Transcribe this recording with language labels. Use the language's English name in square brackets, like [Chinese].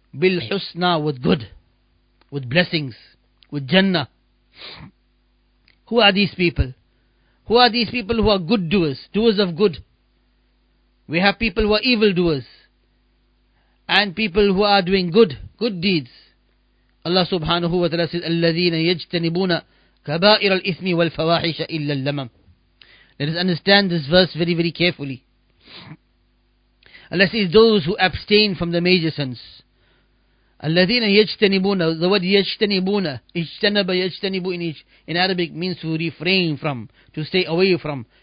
[English] بِالْحُسْنَى, with good. With blessings. With Jannah. Who are these people? Who are these people who are good doers? Doers of good. We have people who are evil doers. And people who are doing good deeds. [Arabic] Allah subhanahu wa ta'ala says, الَّذِينَ يَجْتَنِبُونَ كَبَائِرَ الْإِثْمِ وَالْفَوَاحِشَ إِلَّا اللَّمَمَ. [English] Let us understand this verse very, very carefully. Allah says, those who abstain from the major sins. [Arabic] الَّذِينَ يَجْتَنِبُونَ, [English] the word يَجْتَنِبُونَ, [Arabic] اجْتَنَبَ يَجْتَنِبُ [English] in Arabic means to refrain from, to stay away from.